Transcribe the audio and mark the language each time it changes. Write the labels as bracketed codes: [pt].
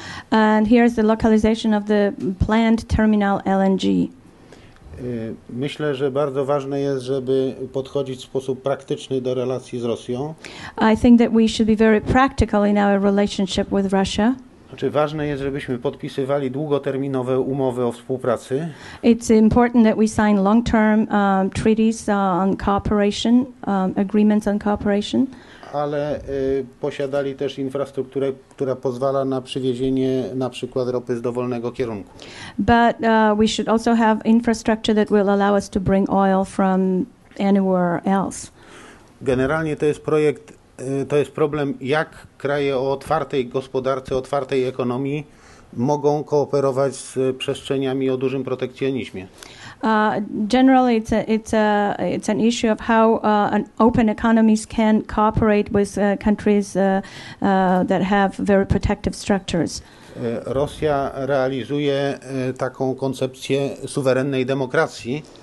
[en] And here is the localization of the planned terminal LNG. [pl] Myślę, że bardzo ważne jest, żeby podchodzić w sposób praktyczny do relacji z Rosją. [en] I think that we should be very practical in our relationship with Russia. [pl] Znaczy, ważne jest, żebyśmy podpisywali długoterminowe umowy o współpracy. [en] It's important that we sign long-term treaties on cooperation, agreements on cooperation. [pl] Ale posiadali też infrastrukturę, która pozwala na przywiezienie na przykład ropy z dowolnego kierunku. [en] But we should also have infrastructure that will allow us to bring oil from anywhere else. [pl] Generalnie to jest projekt, to jest problem, jak kraje o otwartej gospodarce, otwartej ekonomii mogą kooperować z przestrzeniami o dużym protekcjonizmie. [en] Generally, it's an issue of how an open economies can cooperate with countries that have very protective structures. [pl] Rosja realizuje taką koncepcję suwerennej demokracji.